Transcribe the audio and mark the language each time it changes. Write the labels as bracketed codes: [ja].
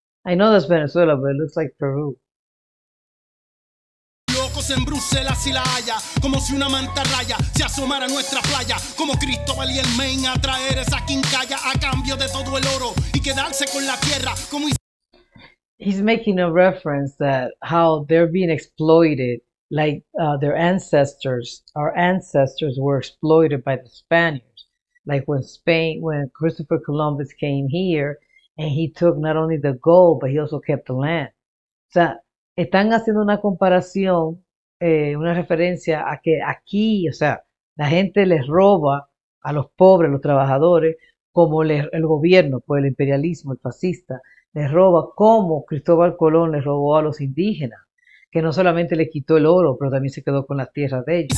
[en] I know that's Venezuela, but it looks like Peru. [es] Locos en Bruselas y La Haya, como si una mantarraya se asomara a nuestra playa, como Cristóbal y el Maine a traer esa quincalla a cambio de todo el oro y quedarse con la tierra, como [en] He's making a reference that how they're being exploited, like their ancestors, our ancestors were exploited by the Spaniards. Like when Christopher Columbus came here and he took not only the gold, but he also kept the land. [es] O sea, están haciendo una comparación, una referencia a que aquí, o sea, la gente les roba a los pobres, los trabajadores, como el gobierno, pues el imperialismo, el fascista. Les roba como Cristóbal Colón les robó a los indígenas, que no solamente les quitó el oro, pero también se quedó con las tierras de ellos.